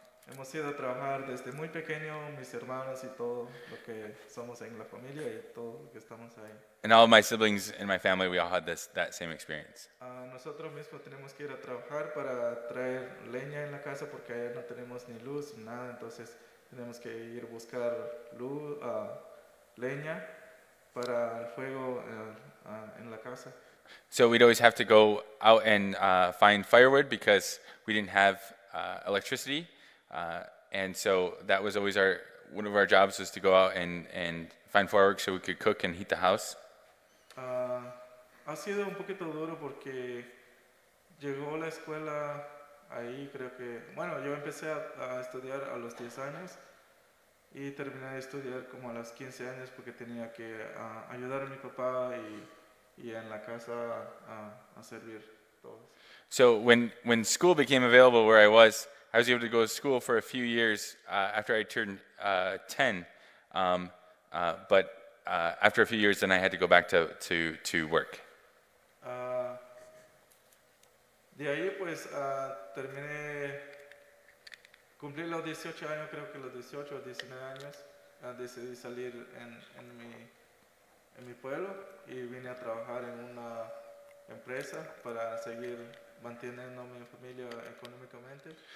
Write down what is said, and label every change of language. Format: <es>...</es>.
<es>Hemos ido a trabajar desde muy pequeño, mis hermanos y todo lo que somos en la familia y todo lo que estamos ahí.</es> <en>And all of my siblings in my family, we all had that same experience.</en> <es>Nosotros mismos tenemos que ir a trabajar para traer leña en la casa porque allá no tenemos ni luz ni nada, entonces tenemos que ir buscar luz, leña para el fuego en la casa.</es> <en>So we'd always have to go out and find firewood because we didn't have electricity. And so that was always one of our jobs was to go out and find firewood so we could cook and heat the house.</en> <es>Ha sido un poquito duro porque llegó la escuela ahí, creo que, bueno, yo empecé a estudiar a los 10 años y terminé de estudiar como a los 15 años porque tenía que ayudar a mi papá y en la casa a servir todos.</es> <en>So when school became available where I was, I was able to go to school for a few years after I turned 10, but after a few years, then I had to go back to work.</en> <es>De ahí pues terminé, cumplí los 18 años, creo que los 18 o 19 años, decidí salir en mi pueblo y vine a trabajar en una empresa para seguir manteniendo mi familia económicamente.</es>